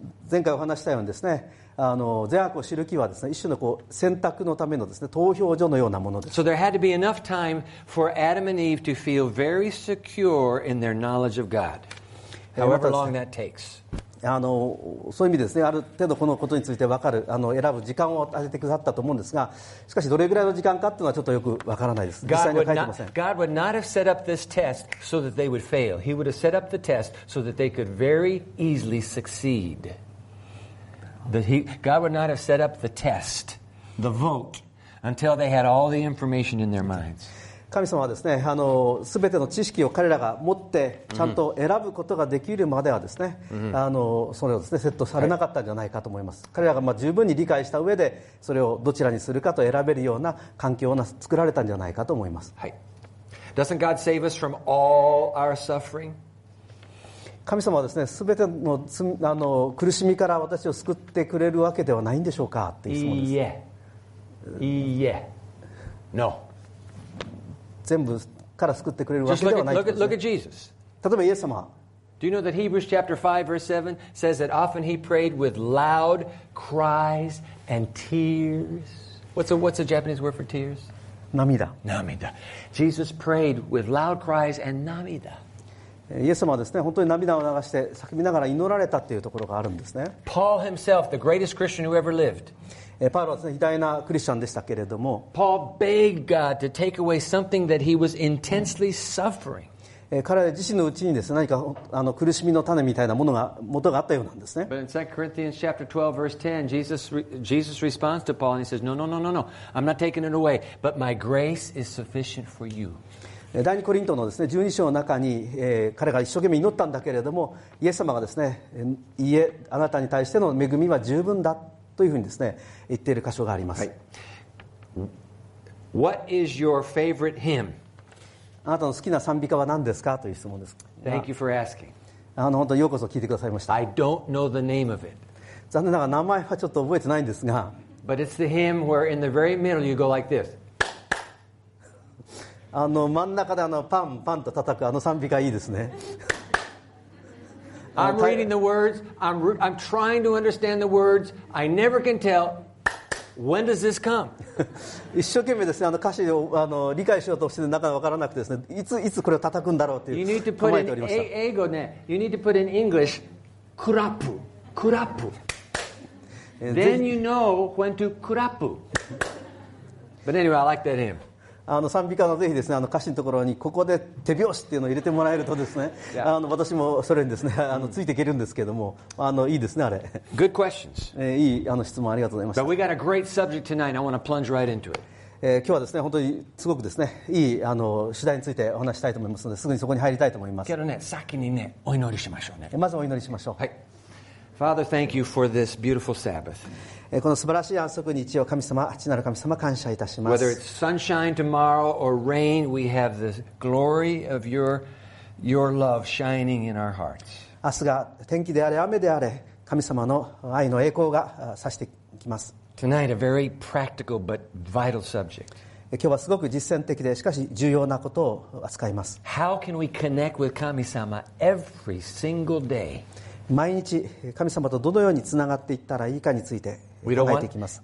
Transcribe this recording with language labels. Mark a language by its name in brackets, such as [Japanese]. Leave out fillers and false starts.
[Japanese] 前回お話したようにですね、善悪を知る木はですね、一種のこう選択のためのですね、投票所のようなものです。 [English] So there had to be enough time for Adam and Eve to feel very secure in their knowledge of God, however long that takes. [Japanese] あのそういう意味ですね、ある程度このことについて分かる、あの選ぶ時間を与えてくださったと思うんですが、しかしどれぐらいの時間かっていうのはちょっとよく分からないです。実際には書いてません。 [English] God would not have set up this test so that they would fail. He would have set up the test so that they could very easily succeed. God would not have set up the test, the vote, until they had all the information in their minds. [Japanese] 神様はですね、あの全ての知識を彼らが持ってちゃんと選ぶことができるまではですね、あのそれをですね、セットされなかったんじゃないかと思います。彼らがまあ十分に理解した上で、それをどちらにするかと選べるような環境を作られたんじゃないかと思います。はい。 [English] Doesn't God save us from all our suffering? [Japanese] 神様はですね、すべての罪、あの苦しみから私を救ってくれるわけではないんでしょうかっていう質問です。いいえ、 [English] No。 [Japanese] 全部から救ってくれるわけではないですね。 [English] Look at Jesus。 [Japanese] 例えばイエス様。 [English] Do you know that Hebrews chapter 5 verse 7 says that often he prayed with loud cries and tears? What's a Japanese word for tears? [Japanese] 涙。 [English] 涙。Jesus prayed with loud cries and 涙。 [Japanese] イエス様はですね、本当に涙を流して叫びながら祈られたというところがあるんですね。 [English] Paul himself, the greatest Christian who ever lived. [Japanese] パウロはですね、偉大なクリスチャンでしたけれども。 [English] Paul begged God to take away something that he was intensely suffering. [Japanese] 彼自身のうちにですね、何かあの苦しみの種みたいなものが元があったようなんですね。 [English] But in 2 Corinthians chapter 12 verse 10, Jesus responds to Paul and he says, No, I'm not taking it away, but my grace is sufficient for you. [Japanese] 第2コリントのですね、12章の中に、彼が一生懸命祈ったんだけれども、イエス様がですね、いえ、あなたに対しての恵みは十分だというふうにですね、言っている箇所があります。はい、 [English] What is your favorite hymn? [Japanese] あなたの好きな賛美歌は何ですかという質問です。 [English] Thank you for asking. [Japanese] 本当にようこそ聞いてくださいました。 [English] I don't know the name of it. [Japanese] 残念ながら名前はちょっと覚えてないんですが、 [English] But it's the hymn where in the very middle you go like this. [Japanese] あの真ん中であのパンパンと叩くあの賛美歌いいですね。 [English] I'm reading the words. I'm trying to understand the words. I never can tell. When does this come? [Japanese] 一生懸命ですね、あの歌詞をあの理解しようとしてなかなか分からなくてですね、いつこれを叩くんだろうっていう。 [English] You need to put in [Japanese] 英語ね。 [English] You need to put in English. Clap, clap. Then you know when to clap. But anyway, I like that hymn. [Japanese] あの賛美歌のぜひですね、あの歌詞のところにここで手拍子っていうのを入れてもらえるとですね、あの私もそれにですね、あのついていけるんですけども、あのいいですね、あれ。 [English] Good questions. [Japanese] いいあの質問ありがとうございました。 [English] But we got a great subject tonight and I want to plunge right into it. [Japanese] 今日はですね、本当にすごくですね、いいあの主題についてお話したいと思いますので、すぐにそこに入りたいと思います。けどね、先にね、お祈りしましょうね。まずお祈りしましょう。はい。 [English] Father, thank you for this beautiful Sabbath. [Japanese] この素晴らしい安息日を神様、父なる神様、感謝いたします。 [English] Whether it's sunshine tomorrow or rain, we have the glory of your love shining in our hearts. [Japanese] 明日が天気であれ雨であれ、神様の愛の栄光が差してきます。 [English] Tonight, a very practical but vital subject. [Japanese] 今日はすごく実践的でしかし重要なことを扱います。 [English] How can we connect with 神様 every single day? [Japanese] 毎日神様とどのようにつながっていったらいいかについて考えていきます。